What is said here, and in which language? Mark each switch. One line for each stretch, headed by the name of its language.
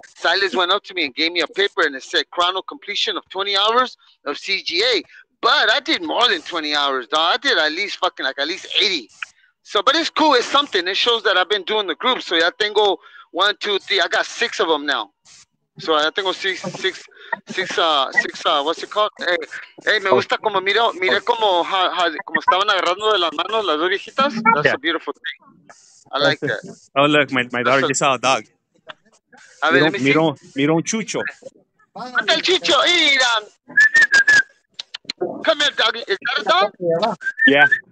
English: Silas went up to me and gave me a paper, and it said chrono completion of 20 hours of CGA. But I did more than 20 hours, dog. I did at least fucking like at least 80. So, but it's cool. It's something. It shows that I've been doing the group. So, yeah, I think 1, 2, 3. I got 6 of them now. So, I think six, what's it called?
Spanish: Hey, me gusta como mire como como estaban agarrando de las manos las dos viejitas.
English: That's a beautiful thing. I like that. Oh, look, my daughter just saw a dog.
Spanish: A ver, miró un chucho. ¿Dónde el chucho? Mira.
English: Come here, doggy. Is that a dog? Yeah.